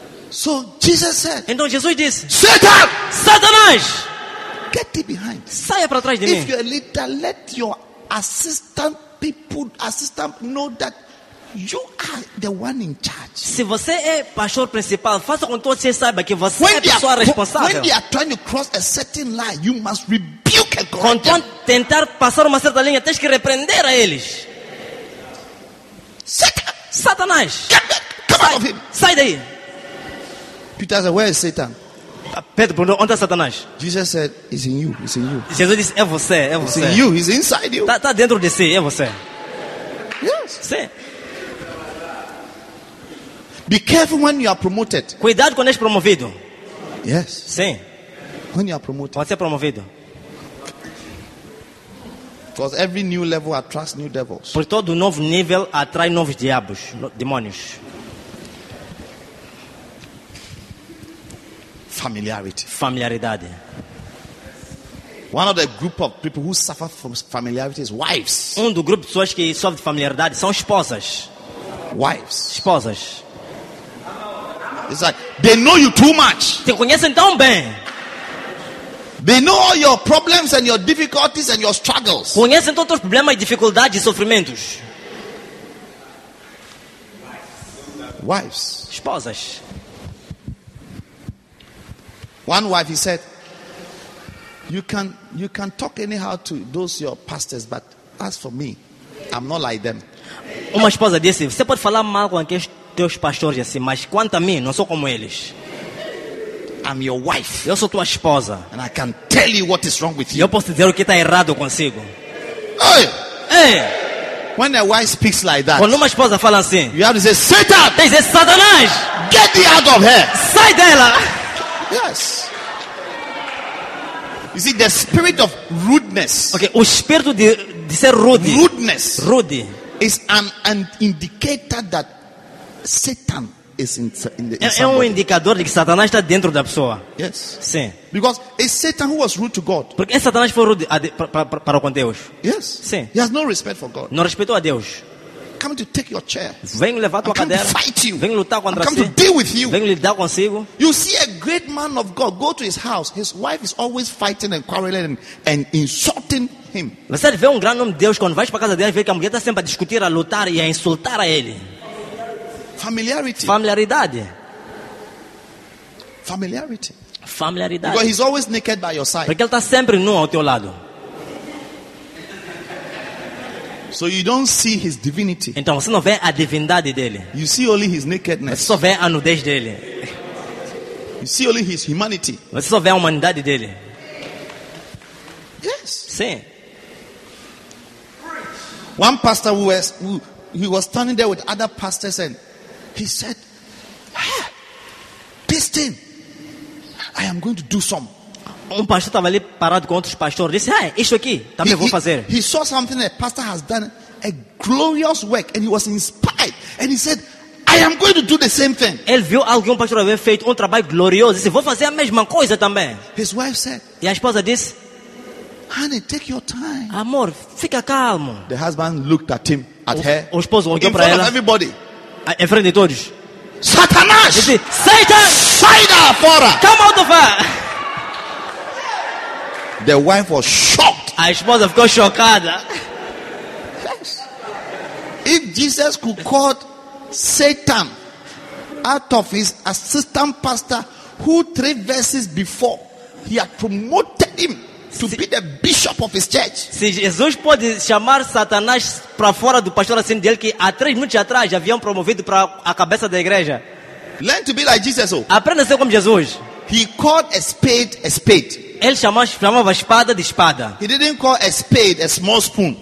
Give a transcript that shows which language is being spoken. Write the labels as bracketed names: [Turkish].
[English] So Jesus said. [Portuguese] Então Jesus disse. [English] Satan! [Portuguese] Satanás! [English] Get thee behind. [Portuguese] Saia para trás de [English] if [Portuguese] mim. [English] If you're a leader, let your assistant know that you are the one in charge. [Portuguese] Se você é pastor principal, faça com que você saiba que você é a pessoa responsável. [English] When they are trying to cross a certain line, you must rebuke and correct them. [Portuguese] Quando tentar passar uma certa linha, tens que repreender a eles. [English] Satan! [Portuguese] Satanás! [English] Come out of him. [Portuguese] Sai daí. [English] Peter said, where is Satan? [Portuguese] Pedro perguntou, onde está Satanás? [English] Jesus said, it's in you, it's in you. [Portuguese] Jesus disse, é você, é você. [English] It's in you, he's inside you. [Portuguese] Tá dentro de si, é você. [English] Yes. [Portuguese] Sim. [English] Be careful when you are promoted. [Portuguese] Cuidado quando és promovido. [English] Yes. [Portuguese] Sim. [English] When you are promoted. [Portuguese] Quando você é promovido. [English] Because every new level attracts new devils. [Portuguese] Por todo novo nível atrai novos diabos, demônios. [English] Familiarity. One of the group of people who suffer from familiarity is wives. [Portuguese] Do grupo de pessoas que sofre de familiaridade são esposas. [English] Wives. [Portuguese] Esposas. [English] It's like they know you too much. [Portuguese] Te conhecem tão bem. [English] They know all your problems and your difficulties and your struggles. [Portuguese] Conhecem todos os problemas, dificuldades e sofrimentos. [English] Wives. [Portuguese] Esposas. [English] One wife, he said, you can talk anyhow to those your pastors, but as for me, I'm not like them. [Portuguese] Uma esposa disse, você pode falar mal com aqueles teus pastores assim, mas quanto a mim, não sou como eles. [English] I'm your wife. [Portuguese] Eu sou tua esposa. [English] And I can tell you what is wrong with you. [Portuguese] Eu posso dizer o que está errado consigo. Oi! Ei! [English] When a wife speaks like that, [Portuguese] quando uma esposa fala assim, [English] you have to say, Satan! [Portuguese] Tem que dizer, Satanás! [English] Get thee out of here! [Portuguese] Sai dela! [English] Yes. You see, the spirit of rudeness. [Portuguese] Okay, o espírito de ser rude. [English] Rudeness. Rude is an indicator that Satan is in [Portuguese] é um indicador de que Satanás está dentro da pessoa. [English] Yes. [Portuguese] Sim. [English] Because it's Satan who was rude to God. [Portuguese] Porque é Satanás foi rude para com Deus. [English] Yes. [Portuguese] Sim. [English] He has no respect for God. [Portuguese] Não respeitou a Deus. [English] Come to take your chair. [Portuguese] Vem levar tua cadeira. [English] Come to fight you. [Portuguese] Vem lutar contra você. [English] Come to deal with you. [Portuguese] Vem lidar consigo. [English] You see a great man of God go to his house. His wife is always fighting and quarreling and insulting him. [Portuguese] Você vê grande homem de Deus quando vai para casa dele, vê que a mulher está sempre a discutir, a lutar e a insultar a ele. [English] Familiarity. [Portuguese] Familiaridade. [English] Familiarity. [Portuguese] Familiaridade. [English] Because he's always naked by your side. [Portuguese] Porque ele está sempre nu ao teu lado. [English] So you don't see his divinity. [Portuguese] Então você não vê a divindade dele. [English] You see only his nakedness. [Portuguese] Você só vê a nudez dele. [English] You see only his humanity. [Portuguese] Você só vê a humanidade dele. [English] Yes. [Portuguese] Sim. [English] One pastor who was standing there with other pastors and he said, this thing, I am going to do some. [Portuguese] Pastor estava ali parado com outros pastores. Disse, ah, isso aqui, também vou fazer. [English] He saw something that a pastor has done, a glorious work, and he was inspired. And he said, I am going to do the same thing. [Portuguese] Ele viu algo que um pastor havia feito, um trabalho glorioso. Disse, vou fazer a mesma coisa também. [English] His wife said, [Portuguese] e a esposa disse, [English] honey, take your time. [Portuguese] Amor, fica calmo. [English] The husband looked at him, at her. [Portuguese] O esposo olhou para ela. [English] Of everybody. [Portuguese] Em frente de todos. Satanás! Disse, Satan! Saia fora! [English] Come out of her! The wife was shocked. [Portuguese] A esposa ficou chocada. [English] Yes. If Jesus could call Satan out of his assistant pastor who 3 verses before he had promoted him to be the bishop of his church. [Portuguese] Se Jesus pode chamar Satanás para fora do pastor assim dele que há 3 minutos atrás haviam promovido para a cabeça da igreja. [English] Learn to be like Jesus. [Portuguese] Aprenda a ser como Jesus. [English] He called a spade a spade. [Portuguese] Ele chamava espada de espada. [English] He didn't call a spade a small spoon.